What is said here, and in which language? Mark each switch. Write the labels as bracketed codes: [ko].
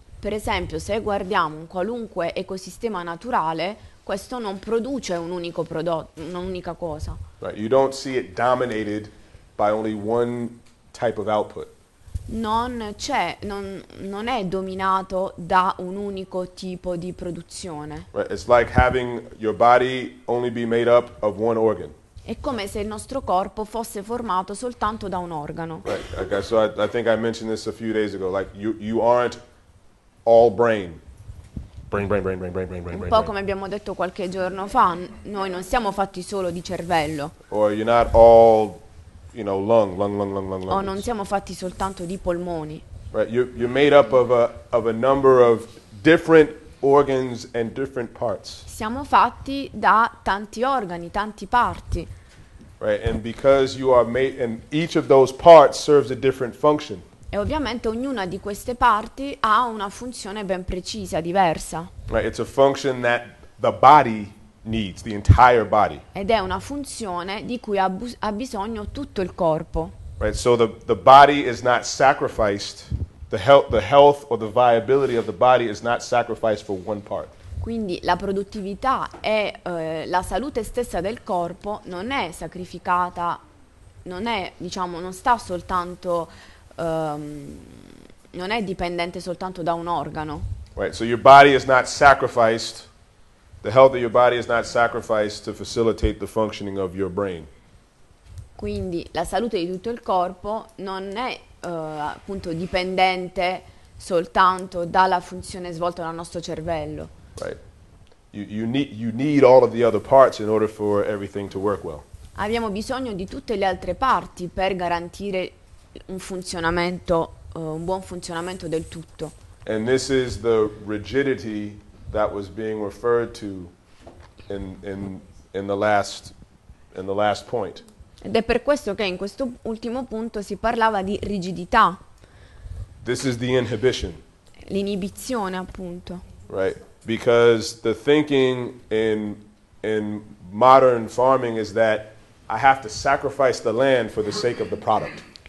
[it] Per esempio, se guardiamo un qualunque ecosistema naturale, questo non produce un unico prodotto, un'unica cosa. [en] Right. You don't see it dominated by only one type of output. [it] Non è dominato da un unico tipo di produzione. [en] Right. It's like having your body only be made up of one organ. [it] È come se il nostro corpo fosse formato soltanto da un organo. [en] Right. Okay. So I think I mentioned this a few days ago. Like you aren't all brain. [it] Un po' come abbiamo detto qualche giorno fa, noi non siamo fatti solo di cervello. [en] Or you're not all, you know, lung. [it] O non siamo fatti soltanto di polmoni. [en] Right, you're made up of a number of different organs and different parts. [it] Siamo fatti da tanti organi, tanti parti. [en] Right, and because you are made, and each of those parts serves a different function. [it] E ovviamente ognuna di queste parti ha una funzione ben precisa, diversa. [en] Right, it's a function that the body needs, the entire body. [it] Ed è una funzione di cui ha bisogno tutto il corpo. [en] Right, so the body is not sacrificed, the health or the viability of the body is not sacrificed for one part. [it] Quindi la produttività e la salute stessa del corpo non è sacrificata, non è, diciamo, non sta soltanto non è dipendente soltanto da un organo. [en] Right, so your body is not sacrificed, the health of your body is not sacrificed to facilitate the functioning of your brain. [it] Quindi la salute di tutto il corpo non è appunto dipendente soltanto dalla funzione svolta dal nostro cervello. [en] Right. You need all of the other parts in order for everything to work well. [it] Abbiamo bisogno di tutte le altre parti per garantire un funzionamento, un buon funzionamento del tutto. [en] And this is the rigidity that was being referred to in the last point. [it] Ed è per questo che in questo ultimo punto si parlava di rigidità. [en] This is the inhibition. [it] L'inibizione, appunto. [en] Right, because the thinking in modern farming is that I have to sacrifice the land for the sake of the product.